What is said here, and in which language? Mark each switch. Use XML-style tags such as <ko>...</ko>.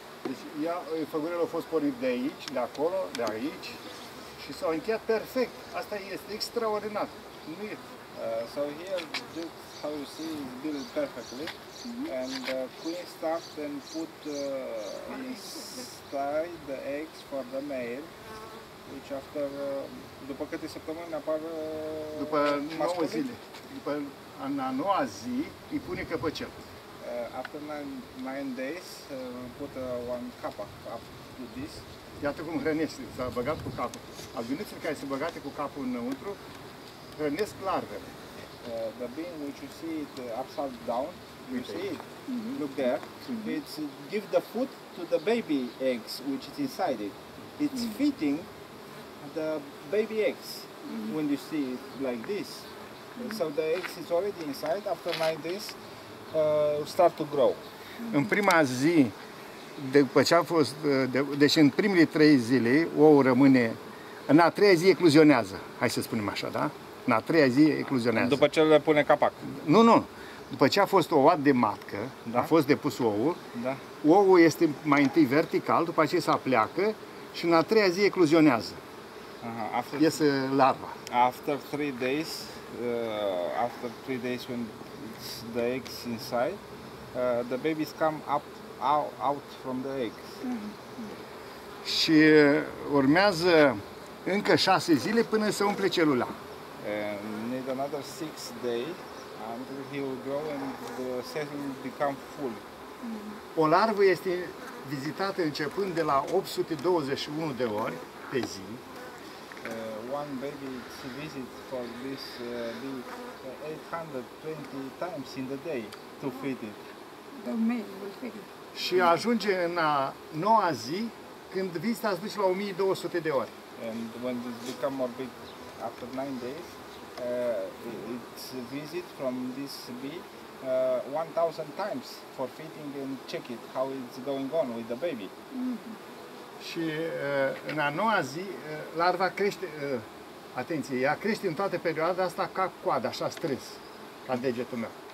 <ro>Deci ia, făgurile au fost pornit de aici, de acolo, de aici și s-au încheiat perfect. Asta este extraordinar. Nu e.</ro> <en>So here just how you see it built perfectly. Mm-hmm. And the queen start and put inside the eggs for the male. Which after</en> <ro>după câte săptămâni apar după 9 zile. După în a noua zi îi pune căpăcel.</ro> <en>After 9 days, put one capa up to this.</en> <ro>Iată cum hrănesc, s-a băgat cu capul. Albinuțele care sunt băgate cu capul înăuntru hrănesc larvele.</ro> <en>The bean which you see it upside down, you see it, look there. Mm-hmm. It's give the food to the baby eggs which is inside it. It's feeding the baby eggs when you see it like this. So the eggs is already inside after 9 days start to grow.</en> <ro>În prima zi după ce a fost deci în primele 3 zile ou rămâne, în a treia zi ecluzionează. Hai să spunem așa, da? În a treia zi ecluzionează. După ce le pune capac. Nu, nu. După ce a fost ouat de matcă, da? A fost depus oul. Da. Oul este mai întâi vertical, după aceea se pleacă și în a treia zi ecluzionează.</ro> <en>Aha, after</en> <ro>iese larva.</ro> <en>After 3 days after 3 days when the eggs inside the babies come up out from the eggs.</en> <ro>Și urmează încă 6 zile până se umple celula.</ro> <en>Need another 6 days until he will grow and the cell will become full.</en> <ro>O larvă este vizitată începând de la 821 de ori pe zi.</ro> <en>One baby is visited for this bee 820 times in the day to feed it. The male will feed it.</en> <ro>Și ajunge în a noua zi când vizita se duce la 1200 de ori.</ro> <en>And when it become more big after 9 days, it's visit from this bee 1000 times for feeding and check it how it's going on with the baby.</en> <ro>Și în a noua zi larva crește, atenție, ea crește în toată perioada asta ca coada, așa strâns, ca degetul meu.</ro>